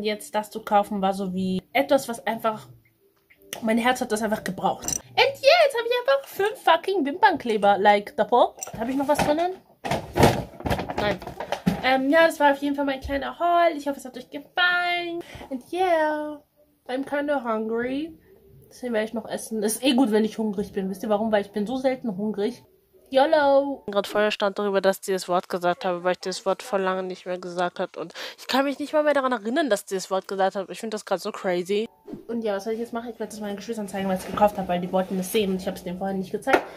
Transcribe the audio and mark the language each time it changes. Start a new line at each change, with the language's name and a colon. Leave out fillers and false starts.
German: Und jetzt das zu kaufen, war so wie etwas, was einfach... Mein Herz hat das einfach gebraucht. Und jetzt habe ich einfach 5 fucking Wimpernkleber. Like, da habe ich noch was drinnen? Nein. Ja, das war auf jeden Fall mein kleiner Haul. Ich hoffe, es hat euch gefallen.
English: And yeah, I'm kinda hungry.
German: Deswegen werde ich noch essen. Ist eh gut, wenn ich hungrig bin. Wisst ihr warum? Weil ich bin so selten hungrig.
English: YOLO!
German: Ich bin gerade vorher stand darüber, dass ich das Wort gesagt habe, weil ich das Wort vor langem nicht mehr gesagt habe. Und ich kann mich nicht mal mehr daran erinnern, dass ich das Wort gesagt habe. Ich finde das gerade so crazy. Und ja, was soll ich jetzt machen? Ich werde es meinen Geschwistern zeigen, weil ich es gekauft habe, weil die wollten es sehen. Und ich habe es denen vorher nicht gezeigt.